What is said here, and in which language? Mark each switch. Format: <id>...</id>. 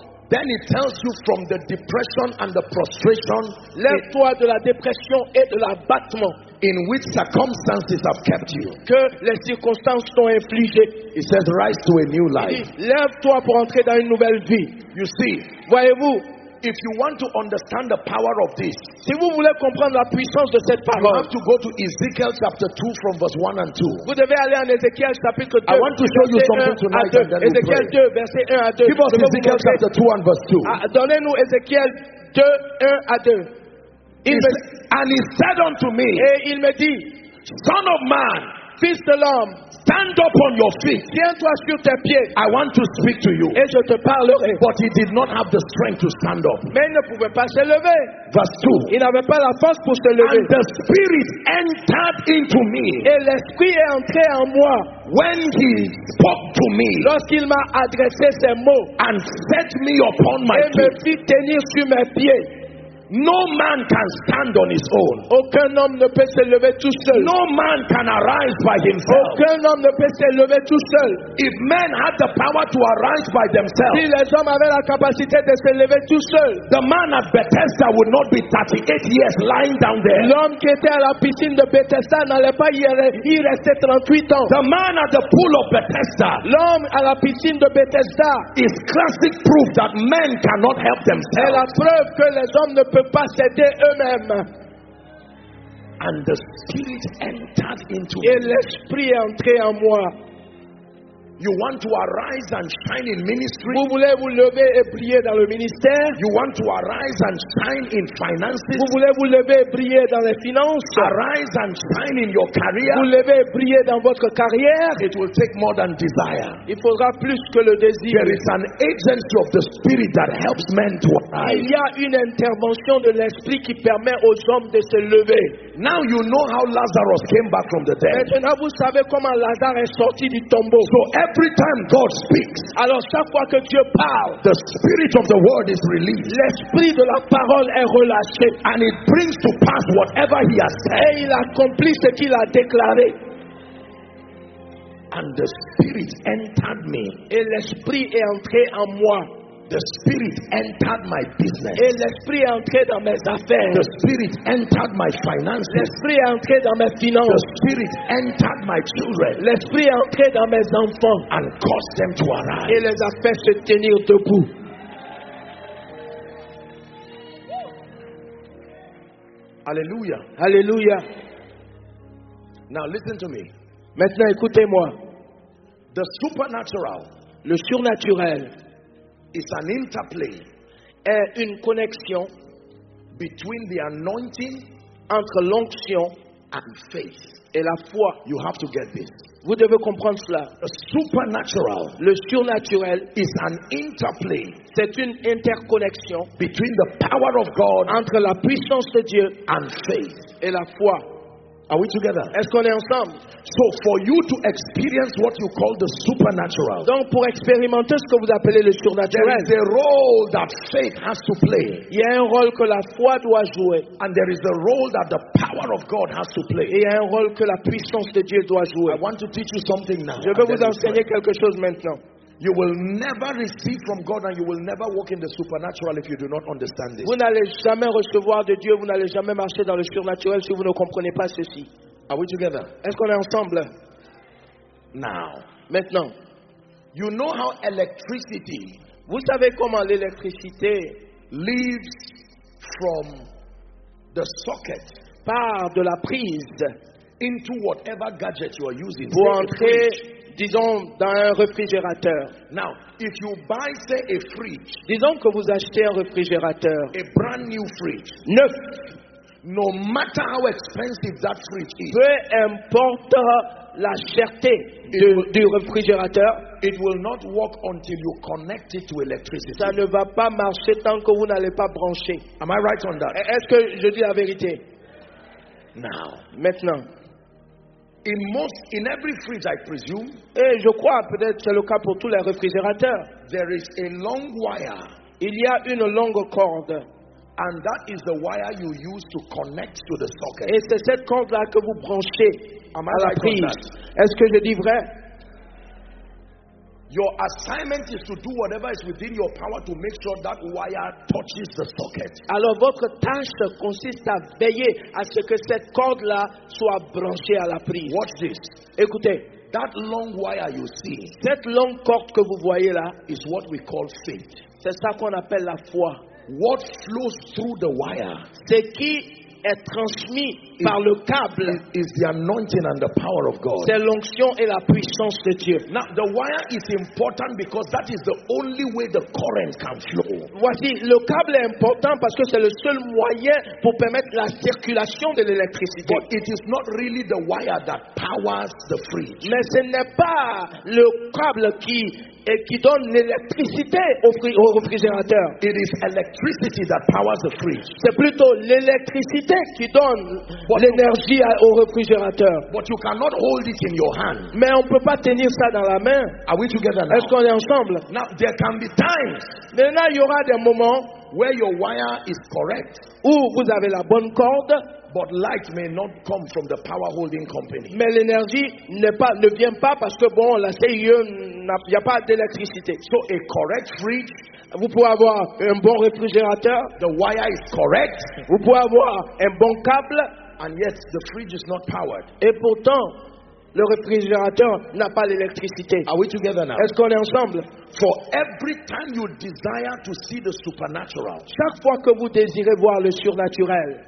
<en>Then it tells you from the depression and the prostration.</en> <fr>Lève-toi de la dépression et de l'abattement.</fr> <en>In which circumstances have kept you.</en> <fr>Que les circonstances t'ont infligé.</fr> <en>It says, rise to a new life.</en> <fr>Lève-toi pour entrer dans une nouvelle vie.</fr> <en>You see.</en> <fr>Voyez-vous.</fr> <en>If you want to understand the power of this,</en> <fr>si vous voulez comprendre la puissance de cette parole,</fr> <en>you have to go to Ezekiel chapter 2 from verse 1 and 2.</en> <fr>Vous devez aller en Ezekiel chapitre 2.</fr> <en>I want to show you something tonight.</en> <fr>Ezekiel 2, verset 1 à 2.</fr> <en>Give us Ezekiel chapter 2 and verse 2.</en> <fr>Donnez-nous Ezekiel 2, 1 à 2.</fr> <en>And he said unto me,</en> <fr>et il me dit,</fr> <en>Son of man,</en> <fr>fils de l'homme,</fr> <en>stand up on your feet.</en> <fr>Tiens-toi sur tes pieds.</fr> <en>I want to speak to you.</en> <fr>Et je te parlerai.</fr> <en>But he did not have the strength to stand up.</en> <fr>Mais il ne pouvait pas se lever.</fr> <en>Verse 2.</en> <fr>Il n'avait pas la force pour se lever.</fr> <en>And the spirit entered into me.</en> <fr>Et l'esprit est entré en moi.</fr> <en>When he spoke to me.</en> <fr>Lorsqu'il m'a adressé ces mots.</fr> <en>And set me upon my feet.</en> <fr>Et me fit tenir sur mes pieds.</fr> <en>No man can stand on his own.</en> <fr>Aucun homme ne peut se lever tout seul.</fr> <en>No man can arise by himself.</en> <fr>Aucun homme ne peut se lever tout seul.</fr> <en>If men had the power to arise by themselves,</en> <fr>si les hommes avaient la capacité de se lever tout seul,</fr> <en>the man at Bethesda would not be 38 years lying down there.</en> <fr>L'homme qui était à la piscine de Bethesda n'allait pas y rester 38 ans.</fr> <en>The man at the pool of Bethesda,</en> <fr>l'homme à la piscine de Bethesda,</fr> <en>is classic proof that men cannot help themselves.</en> <fr>Est la preuve que les hommes ne peut pas s'aider eux-mêmes.</fr> <en>And the spirit entered into</en> <fr>et l'esprit est entré en moi.</fr> <en>You want to arise and shine in ministry?</en> <fr>Vous voulez vous lever et briller dans le ministère?</fr> <en>You want to arise and shine in finances?</en> <fr>Vous voulez vous lever et briller dans les finances?</fr> <en>Arise and shine in your career?</en> <fr>Vous lever et briller dans votre carrière?</fr> <en>It will take more than desire.</en> <fr>Il faudra plus que le désir.</fr> <en>There is an agency of the spirit that helps men to arise.</en> <fr>Il y a une intervention de l'esprit qui permet aux hommes de se lever.</fr> <en>Now you know how Lazarus came back from the dead.</en> <fr>Maintenant vous savez comment Lazare est sorti du tombeau.</fr> <en>So every time God speaks,</en> <fr>alors chaque fois que Dieu parle,</fr> <en>the spirit of the word is released.</en> <fr>L'esprit de la parole est relâché,</fr> <en>and it brings to pass whatever he has said.</en> <fr>Et il accomplit ce qu'il a déclaré.</fr> <en>And the spirit entered me.</en> <fr>Et l'esprit est entré en moi.</fr> <en>The spirit entered my business.</en> <fr>Et l'esprit est entré dans mes affaires.</fr> <en>The spirit entered my finances.</en> <fr>L'esprit est entré dans mes finances.</fr> <en>The spirit entered my children.</en> <fr>L'esprit est entré dans mes enfants.</fr> <en>And caused them to arise.</en> <fr>Et les a fait se tenir debout. Alléluia. Alléluia.</fr> <en>Now listen to me.</en> <fr>Maintenant écoutez-moi.</fr> <en>The supernatural.</en> <fr>Le surnaturel.</fr> <en>It's an interplay,</en> <fr>une connexion</fr> <en>between the anointing</en> <fr>entre l'onction</fr> <en>and faith</en> <fr>et la foi.</fr> <en>You have to get this.</en> <fr>Vous devez comprendre cela.</fr> <en>The supernatural,</en> <fr>le surnaturel,</fr> <en>is an interplay.</en> <fr>C'est une interconnexion</fr> <en>between the power of God</en> <fr>entre la puissance de Dieu</fr> <en>and faith</en> <fr>et la foi.</fr> <en>Are we together?</en> <fr>Est-ce qu'on est ensemble?</fr> <en>So for you to experience what you call the supernatural.</en> <fr>Donc pour expérimenter ce que vous appelez le surnaturel.</fr> <en>There is a role that faith has to play.</en> <fr>Il y a un rôle que la foi doit jouer.</fr> <en>And there is a role that the power of God has to play.</en> <fr>Et il y a un rôle que la puissance de Dieu doit jouer.</fr> <en>I want to teach you something now.</en> <fr>Je veux vous enseigner quelque chose maintenant.</fr> <en>You will never receive from God and you will never walk in the supernatural if you do not understand this.</en> <fr>Vous n'allez jamais recevoir de Dieu, vous n'allez jamais marcher dans le surnaturel si vous ne comprenez pas ceci.</fr> <en>Are we together?</en> <fr>Est-ce qu'on est ensemble?</fr> <en>Now.</en> <fr>Maintenant.</fr> <en>You know how electricity,</en> <fr>vous savez comment l'électricité</fr> <en>leaves from the socket,</en> <fr>part de la prise,</fr> <en>into whatever gadget you are using.</en> <fr>Pour entrer, disons, dans un réfrigérateur.</fr> <en>Now, if you buy, say, a fridge,</en> <fr>disons que vous achetez un réfrigérateur,</fr> <en>a brand new fridge,</en> <fr>neuf,</fr> <en>no matter how expensive that fridge is,</en> <fr>peu importe la cherté du réfrigérateur,</fr> <en>it will not work until you connect it to electricity.</en> <fr>Ça ne va pas marcher tant que vous n'allez pas brancher.</fr> <en>Am I right on that?</en> <fr>Est-ce que je dis la vérité?</fr> <en>Now,</en> <fr>maintenant.</fr> <en>In every fridge, I presume.</en> <fr>Et je crois, peut-être c'est le cas pour tous les réfrigérateurs.</fr> <en>There is a long wire.</en> <fr>Il y a une longue corde.</fr> <en>And that is the wire you use to connect to the socket.</en> <fr>Et c'est cette corde-là que vous branchez à la prise. Est-ce que je dis vrai?</fr> <en>Your assignment is to do whatever is within your power to make sure that wire touches the socket.</en> <fr>Alors votre tâche consiste à veiller à ce que cette corde là soit branchée à la prise.</fr> <en>Watch this.</en> <fr>Écoutez,</fr> <en>that long wire you see,</en> <fr>cette longue corde que vous voyez là</fr> <en>is what we call faith.</en> <fr>C'est ça qu'on appelle la foi.</fr> <en>What flows through the wire?</en> <fr>Ce qui est transmis par le câble</fr> <en>is the anointing and the power of God.</en> <fr>C'est l'onction et la puissance de Dieu.</fr> <en>Now the wire is important because that is the only way the current can flow.</en> <fr>Voici, le câble est important parce que c'est le seul moyen pour permettre la circulation de l'électricité.</fr> <en>But it is not really the wire that powers the fridge.</en> <fr>Mais ce n'est pas le câble qui donne l'électricité au réfrigérateur.</fr> <en>It is electricity that powers the fridge.</en> <fr>C'est plutôt l'électricité qui donne l'énergie au réfrigérateur.</fr> <en>But you cannot hold it in your hand.</en> <fr>Mais on ne peut pas tenir ça dans la main.</fr> <en>Are we together now?</en> <fr>Est-ce qu'on est ensemble?</fr> <en>Now, there can be times.</en> <fr>Maintenant, il y aura des moments</fr> <en>where your wire is correct,</en> <fr>où vous avez la bonne corde.</fr> <en>But light may not come from the power holding company.</en> <fr>Mais l'énergie ne vient pas parce que bon, la CIE, il y a pas d'électricité.</fr> <en>So a correct fridge,</en> <fr>vous pouvez avoir un bon réfrigérateur.</fr> <en>The wire is correct.</en> <fr>Vous pouvez avoir un bon câble.</fr> <en>And yet the fridge is not powered.</en> <fr>Et pourtant, le réfrigérateur n'a pas l'électricité.</fr> <en>Are we together now?</en> <fr>Est-ce qu'on est ensemble?</fr> <en>For every time you desire to see the supernatural,</en> <fr>chaque fois que vous désirez voir le surnaturel,</fr>